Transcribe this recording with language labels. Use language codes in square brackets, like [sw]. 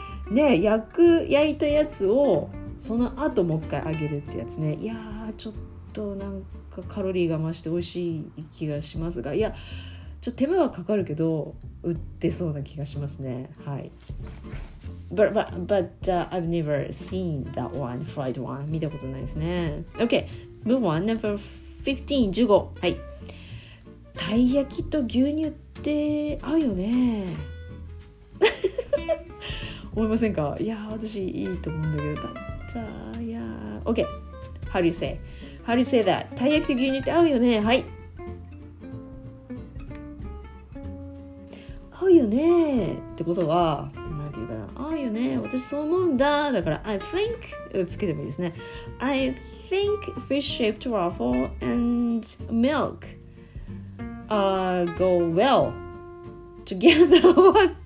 [ja] ね、焼いたやつをその後もう一回揚げるってやつね。いやーちょっとなんかカロリーが増して美味しい気がしますが、いやちょっと手間はかかるけど売ってそうな気がしますね。はい。 [en] But I've never seen that one, fried one. [ja] 見たことないですね。 [en] Okay, move on. Number 15. [ja] はい。たい焼きと牛乳って合うよね。思いませんか。いや私いいと思うんだけど。 [en] But yeah. Okay. How do you say that? [ja] たい焼きと牛乳って合うよね。はい。合うよね。ってことは。ああよね、私そう思うんだ。だから [en] I think [ja] をつけてもいいですね。 [en] I think fish shaped waffle and milk go well together.